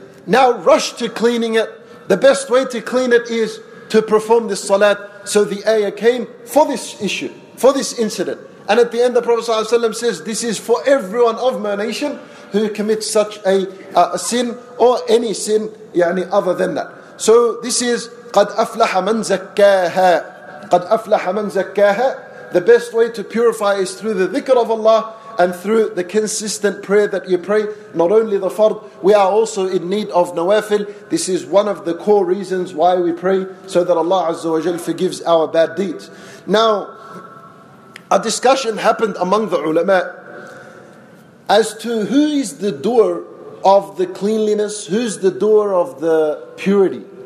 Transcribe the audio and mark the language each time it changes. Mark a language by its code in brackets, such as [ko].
[en] Now rush to cleaning it. The best way to clean it is to perform this salat. So the ayah came for this issue, for this incident. And at the end, the Prophet Sallallahu Alaihi Wasallam says, this is for everyone of my nation who commits such a sin or any sin, yani other than that. So this is [ar] قَدْ أَفْلَحَ مَنْ زَكَّاهَا. قَدْ أَفْلَحَ مَنْ زَكَّاهَا. [en] The best way to purify is through the dhikr of Allah and through the consistent prayer that you pray, not only the fard. We are also in need of nawafil. This is one of the core reasons why we pray, so that Allah Azza wa Jal forgives our bad deeds. Now, a discussion happened among the ulama as to who is the doer of the cleanliness, who's the doer of the purity.